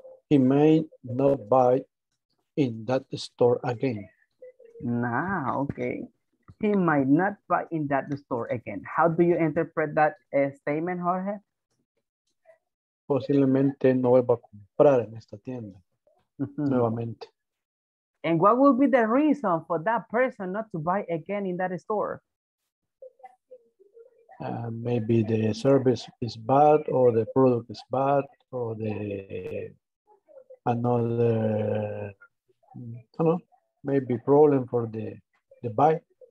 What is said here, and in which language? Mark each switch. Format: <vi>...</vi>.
<en>He may not buy in that store again. Okay. He might not buy in that store again. How do you interpret that statement, Jorge?</en> <es>Posiblemente no vuelva a comprar en esta tienda nuevamente.</es> <en>And what would be the reason for that person not to buy again in that store? Maybe the service is bad, or the product is bad, or the another, I don't know, maybe problem for the buy.</en>